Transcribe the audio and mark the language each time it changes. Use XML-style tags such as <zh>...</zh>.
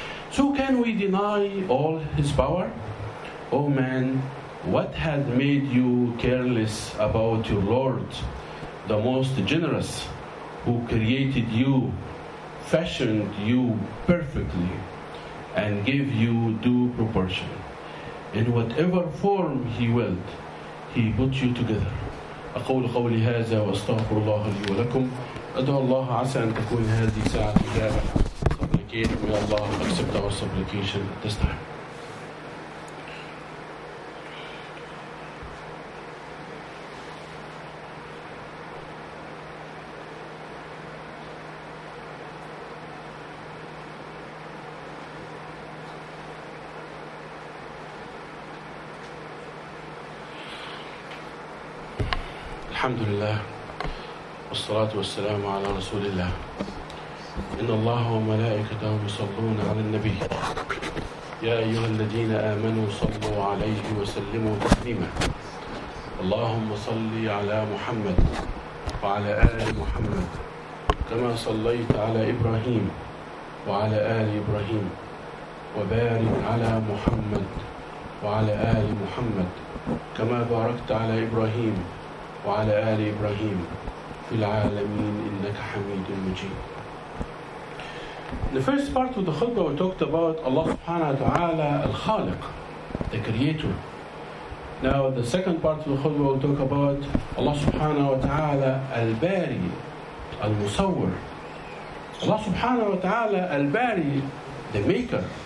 <en>So can we deny all His power? Oh man, what has made you careless about your Lord, the most generous, who created you, fashioned you perfectly, and gave you due proportion? In whatever form He willed, He put you together.</en> <ar>أقول قولي هذا وأستغفر الله لي ولكم. أدعو الله عسى أن تكون هذه ساعة إجابة.</ar> <en>Supplicate, may Allah accept our supplication at this time.</en> <ar>الحمد لله والصلاة والسلام على رسول الله إن الله وملائكته يصلون على النبي يا أيها الذين آمنوا صلوا عليه وسلموا تسليما اللهم صل على محمد وعلى آل محمد كما صليت على إبراهيم وعلى آل إبراهيم وبارك على محمد وعلى آل محمد كما باركت على إبراهيم وعلى آل إبراهيم في العالمين إنك حميد مجيد.</ar> <en>The first part of the khutbah we talked about Allah subhanahu wa ta'ala al-Khaliq, the creator. Now the second part of the khutbah we'll talk about Allah subhanahu wa ta'ala al-Bari, al-Musawwir. Allah subhanahu wa ta'ala al-Bari, the maker.</en>